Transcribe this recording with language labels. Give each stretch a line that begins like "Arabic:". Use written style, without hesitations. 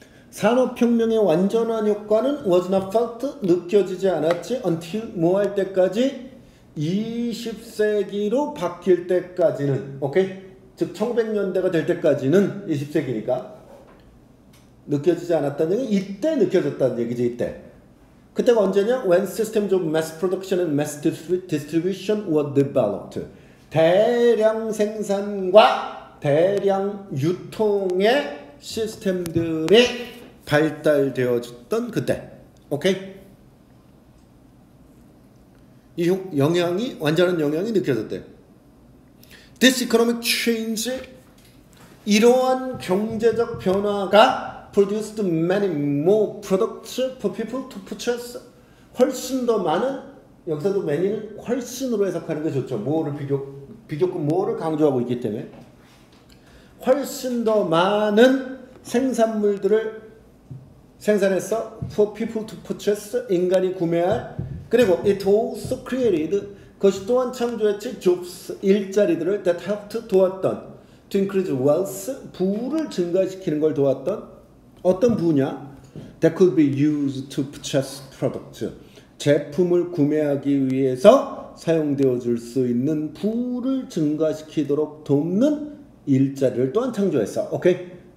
Korean: 산업혁명의 완전한 효과는 was not felt, 느껴지지 않았지, until 뭐 할 때까지? 20세기로 바뀔 때까지는, 오케이? 즉 1900년대가 될 때까지는 20세기니까 느껴지지 않았다는 얘기, 이때 느껴졌다는 얘기지, 이때. 그때가 언제냐?
English: When systems of mass production and mass distribution were developed.
Korean: 대량 생산과 대량 유통의 시스템들이 발달되어졌던 그때. 오케이? 이 영향이, 완전한 영향이 느껴졌대.
English: This economic change, 이러한 경제적 변화가 produced many more products for people to purchase.
Korean: 훨씬 더 많은, 여기서도 many는 훨씬으로 해석하는 게 좋죠. 뭐를 비교급 뭐를 강조하고 있기 때문에. 훨씬 더 많은 생산물들을 생산했어. For people to purchase, 인간이 구매할. 그리고 it also created, 그것이 또한 창조했지, jobs, 일자리들을, that helped, 도왔던, to increase wealth, 부를 증가시키는 걸 도왔던, 어떤 부냐, that could be used to purchase products, 제품을 구매하기 위해서 사용되어 줄 수 있는 부를 증가시키도록 돕는 일자리를 또한 창조했어. 오케이?